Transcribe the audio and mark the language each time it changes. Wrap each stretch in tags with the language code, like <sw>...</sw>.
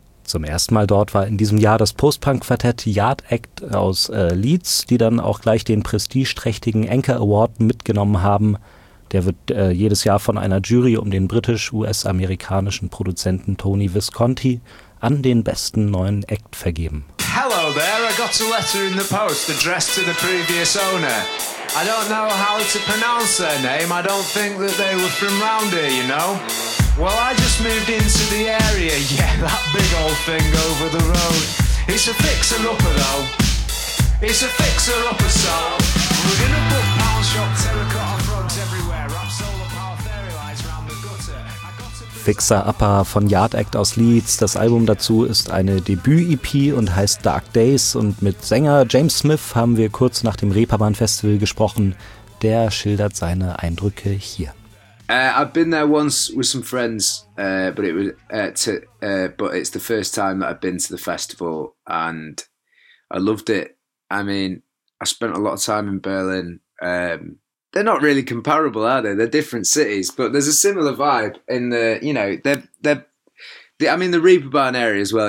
<de>Zum ersten Mal dort war in diesem Jahr das Post-Punk-Quartett Yard Act aus Leeds, die dann auch gleich den prestigeträchtigen Anchor Award mitgenommen haben. Der wird jedes Jahr von einer Jury um den britisch-US-amerikanischen Produzenten Tony Visconti an den besten neuen Act vergeben.</de> <en>Hello there, I got a letter in the post addressed to the previous owner. I don't know how to pronounce their name. I don't think that they were from round here, you know. Well, I just moved into the area. Yeah, that big old thing over the road. It's a fixer-upper, though. It's a fixer-upper, so. We're gonna put pound shop terracotta frogs everywhere. Wrap solar power fairy lights around the gutter.</en> <de>Fixer-upper von Yard Act aus Leeds. Das Album dazu ist eine Debüt-EP und heißt Dark Days. Und mit Sänger James Smith haben wir kurz nach dem Reeperbahn-Festival gesprochen. Der schildert seine Eindrücke hier.</de> <en>I've been there once with some friends, but it's the first time that I've been to the festival and I loved it. I mean, I spent a lot of time in Berlin. They're not really comparable, are they? They're different cities, but there's a similar vibe in the, you know, the Reeperbahn area as well.</en>